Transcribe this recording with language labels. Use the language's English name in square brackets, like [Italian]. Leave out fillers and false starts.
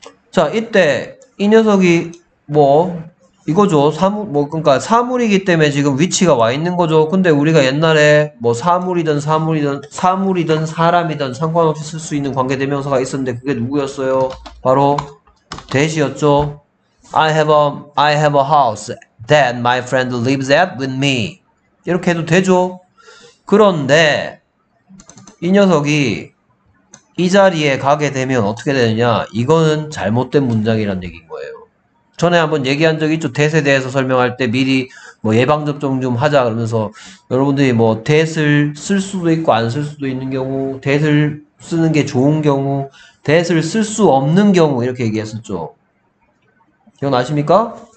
[Korean] 자, 이때 이 녀석이 뭐 이거죠. 그러니까 사물이기 때문에 지금 위치가 와 있는 거죠. 근데 우리가 옛날에 뭐 사물이든 사람이든 상관없이 쓸수 있는 관계대명사가 있었는데 그게 누구였어요? 바로 that이었죠. [English] I have a house that my friend lives at with me. [Korean] 이렇게 해도 되죠. 그런데 이 녀석이 이 자리에 가게 되면 어떻게 되느냐? 이거는 잘못된 문장이란 얘기인 거예요. 전에 한번 얘기한 적 있죠? 댓에 대해서 설명할 때 미리 뭐 예방접종 좀 하자 그러면서 여러분들이 뭐 댓을 쓸 수도 있고 안쓸 수도 있는 경우, 댓을 쓰는 게 좋은 경우, 댓을 쓸수 없는 경우 이렇게 얘기했었죠. 기억나십니까?